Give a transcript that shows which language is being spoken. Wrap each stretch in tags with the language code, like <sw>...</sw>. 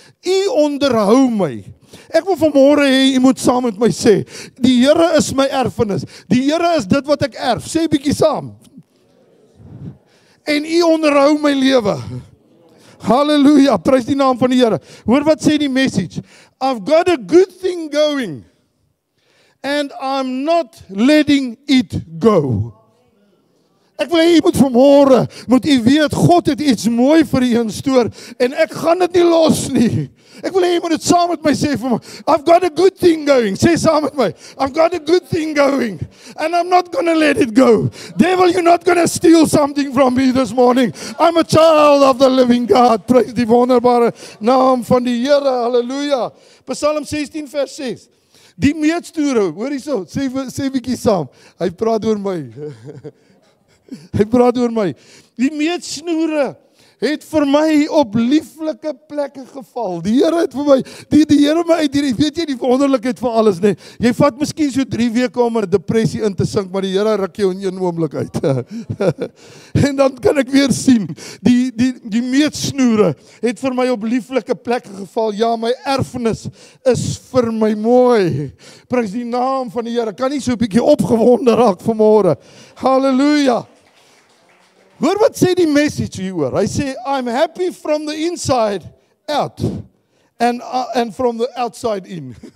<af>U onderhou my. Ek wil vanmôre hê jy moet saam met my sê, die Here is my erfenis. Die Here is dit wat ek erf. Sê bietjie saam. En u onderhou my lewe. Halleluja, prys die naam van die Here. Hoor wat sê die message?</af> <en>I've got a good thing going and I'm not letting it go.</en> <af>Ek wil hê jy moet vanmôre, moet jy weet, God het iets mooi vir jou in stoor en ek gaan dit nie los nie. Ek wil hê jy moet dit saam met my sê vir my.</af> <en>I've got a good thing going.</en> <af>Sê saam met my.</af> <en>I've got a good thing going and I'm not going to let it go. Devil, you're not going to steal something from me this morning. I'm a child of the living God. Praise</en> <af>die wonderbare naam van die Here.</af> <en>Halleluja.</en> <af>Psalm 16 vers 6. Die meetstoere, hoor hierso, sê bietjie saam. Hy praat oor my. Hy praat oor my. Die meetsnoere het vir my op lieflike plekke geval. Die Here het vir my, die Here my uit hierdie, weet jy die wonderlikheid van alles nê. Jy vat miskien so 3 weke om 'n depressie in te sink, maar die Here ruk jou in een oomblik uit. En dan kan ek weer sien, die meetsnoere het vir my op lieflike plekke geval. Ja, my erfenis is vir my mooi. Prys die naam van die Here. Kan nie so 'n bietjie opgewonde raak vanmôre. Halleluja. Hoor wat sê die message hieroor. Hy sê,</af> <en>I'm happy from the inside out and from the outside in.</en>